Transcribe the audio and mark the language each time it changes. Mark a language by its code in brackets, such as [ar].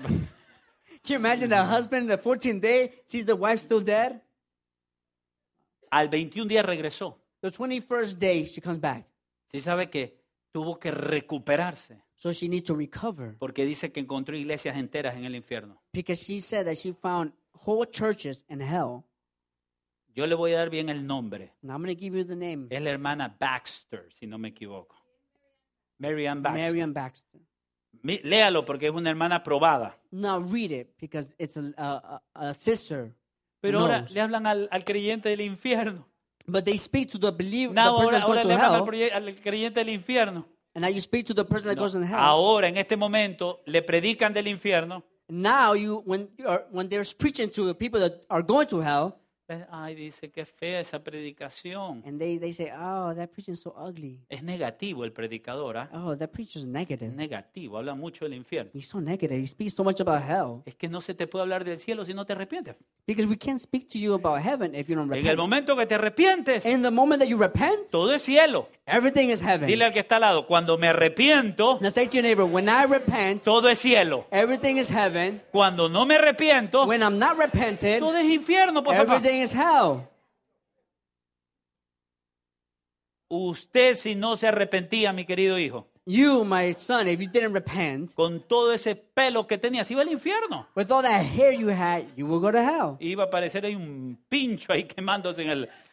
[en] Can you imagine the husband the 14th day sees the wife still dead? [es] Al 21 día regresó. [en] The 21st day she comes back. [es] ¿Sí sabe qué? Tuvo que recuperarse. [en] So she needs to recover. [es] Porque dice que encontró iglesias enteras en el infierno. [en] Because she said that she found whole churches in hell. [es] Yo le voy a dar bien el nombre. [en] And I'm going to give you the name. [es] Es la hermana Baxter, si no me equivoco. [en] Mary Ann Baxter. Mary Ann Baxter. [es] Léalo porque es una hermana probada. [en] Now read it because it's a sister. [es] Pero [en] knows. [es] Ahora le hablan al creyente del infierno. [en] But they speak to the believer, the person that's going to hell. [es] Al creyente del infierno. [en] And now you speak to the person that goes in hell. [es] Ahora, en este momento, le predican del infierno. [en] Now, when they're preaching to the people that are going to hell. [es] Ay, dice, qué fea esa predicación. [en] And they say, oh, that preaching is so ugly. [es] Es negativo el predicador, ¿eh? [en] Oh, that preacher is negative. [es] Es negativo, habla mucho del infierno. [en] He's so negative, he speaks so much about hell. [es] Es que no se te puede hablar del cielo si no te arrepientes. [en] Because we can't speak to you about heaven if you don't repent. [es] En el momento que te arrepientes. [en] In the moment that you repent. [es] Todo es cielo. [en] Everything is heaven. [es] Dile al que está al lado, cuando me arrepiento. [en] Now say to your neighbor, when I repent. [es] Todo es cielo. [en] Everything is heaven. [es] Cuando no me arrepiento. [en] When I'm not repented. [es] Todo es infierno, por favor. [en] Everything is hell. [es] Usted si no se arrepentía, mi querido hijo. [en] You, my son, if you didn't repent, [es] con todo ese pelo que tenías, iba al infierno. [en] With all that hair you had, you will go to hell. [es] Iba a aparecer ahí un pincho ahí quemándose en el.